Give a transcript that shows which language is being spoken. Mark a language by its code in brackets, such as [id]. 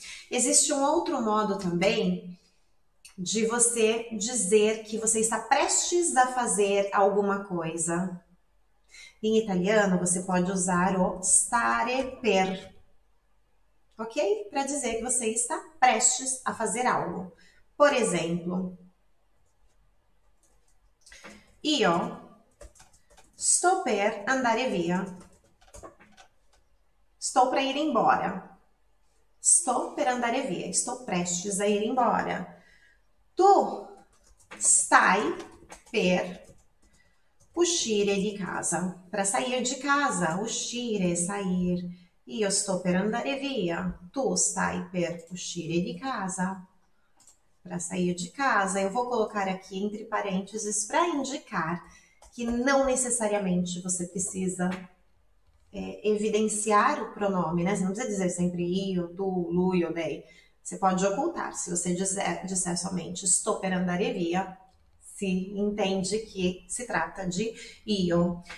[pt] Existe um outro modo também de você dizer que você está prestes a fazer alguma coisa. Em italiano, você pode usar o stare per, ok? Para dizer que você está prestes a fazer algo. [it] Por exemplo, io sto per andare via. [pt] Estou para ir embora. Estou [it] per andare via. [pt] Estou prestes a ir embora. [it] Tu stai per uscire di casa. [pt] Para sair de casa, uscire, sair. [it] Io sto per andare via. Tu stai per uscire di casa. [pt] Para sair de casa, eu vou colocar aqui entre parênteses para indicar que não necessariamente você precisa evidenciar o pronome, né? Você não precisa dizer sempre io, tu, lui ou lei. Você pode ocultar. Se você disser somente [it] sto per andare via, [pt] se entende que se trata de io.